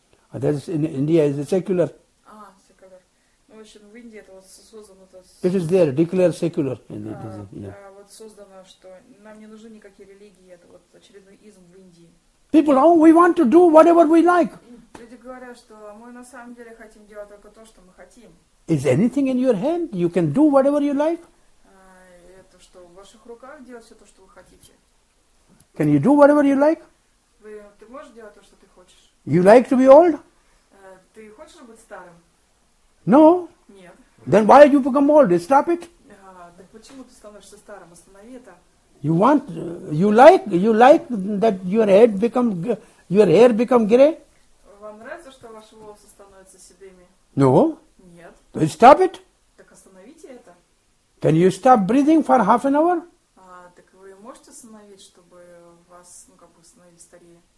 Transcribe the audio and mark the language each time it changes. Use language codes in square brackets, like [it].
[en] That's in India is a secular. Secular. [ru] Ну, в общем, в Индии это вот создано это. [en] It is there, declared secular. [ru] Вот создано, что нам не нужны никакие религии, это вот очередной изм в Индии. [en] People, oh, we want to do whatever we like. [ru] Люди говорят, что мы на самом деле хотим делать только то, что мы хотим. [en] Is anything in your hand? You can do whatever you like? [ru] Это что, в ваших руках делать все то, что вы хотите? [en] Can you do whatever you like? [ru] Ты можешь делать то, что ты хочешь? [en] You like to be old? [ru] Ты хочешь быть старым? [en] No. [ru] Нет. [en] Then why you become old? Stop it. [ru] Да почему ты становишься старым? Останови это. [en] You want, you like that your hair become gray? [ru] Вам нравится, что ваши волосы становятся седыми? [en] No. [ru] Нет. [en] Then stop it. [ru] Так остановите это. [en] Can you stop breathing for half an hour? [ru] Так вы можете остановить, чтобы вас, становились старее?